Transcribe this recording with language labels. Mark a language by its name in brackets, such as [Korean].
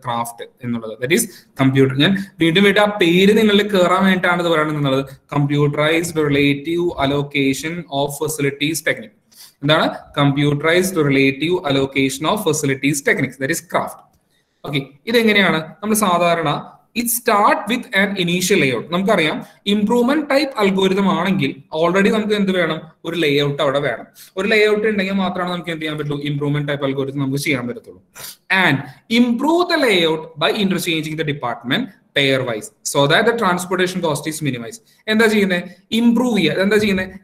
[Malayalam] Craft എന്നുള്ളത്, [English] That is computer. [Malayalam] ഞാൻ വീണ്ടും വീണ്ടും ആ പേര് നിങ്ങളിൽ കയറാൻ വേണ്ടിയിട്ടാണ് പറയുന്നത് എന്നുള്ളത്, computerised relative allocation of facilities technique. എന്താണ് computerised relative allocation of facilities techniques? [English] That is CRAFT. [Malayalam] Okay, ഇതെങ്ങനെയാണ് നമ്മൾ സാധാരണ? [English] It starts with an initial layout. [Malayalam] നമുക്കറിയാം improvement type algorithm ആണെങ്കിൽ ഓൾറെഡി നമുക്ക് എന്ത് വേണം? ഒരു ലേഔട്ട് അവിടെ വേണം. ഒരു ലേഔട്ട് ഉണ്ടെങ്കിൽ മാത്രമാണ് നമുക്ക് എന്ത് ചെയ്യാൻ പറ്റുള്ളൂ, ഇംപ്രൂവ്മെന്റ് ടൈപ്പ് അൽഗോരിതം നമുക്ക് ചെയ്യാൻ പറ്റത്തുള്ളൂ. [English] And improve the layout by interchanging the department pairwise so that the transportation cost is minimise. [Malayalam] എന്താ ചെയ്യുന്നത്? ഇംപ്രൂവ് ചെയ്യുക. എന്താ ചെയ്യുന്നത്?